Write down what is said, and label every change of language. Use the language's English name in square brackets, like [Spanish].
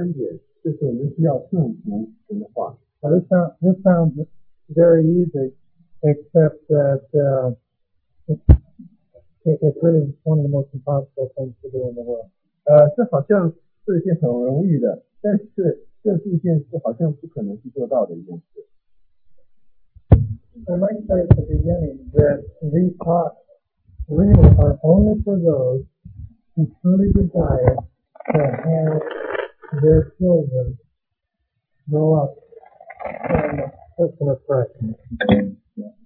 [Chinese] 还不够，我们需要知道这第三点，就是我们需要顺服神的话。 [English] This sounds very easy, except that it's really one of the most impossible things to do in the world. [Chinese] 这好像是一件很容易的，但是这是一件好像不可能去做到的一件事。 [English] I might say at the beginning that these thoughts really are only for those who truly desire to have their children grow up in the person of Christ.